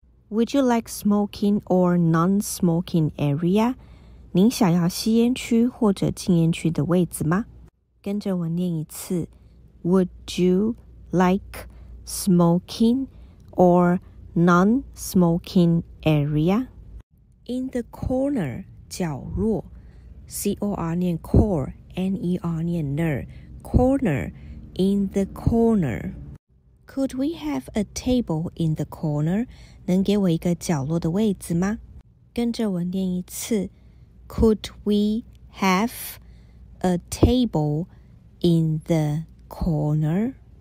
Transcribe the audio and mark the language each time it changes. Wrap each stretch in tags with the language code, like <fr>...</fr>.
<en>Would you like smoking or non-smoking area?</en> <zh>您想要吸烟区或者禁烟区的位置吗？跟着我念一次。</zh> <en>Would you like smoking or non-smoking area? In the corner, 角落 C-O-R 念 core, N-E-R 念 ner, corner, in the corner. Could we have a table in the corner?</en> <zh>能给我一个角落的位置吗？跟着我念一次。</zh> <en>Could we have a table in the corner?</en>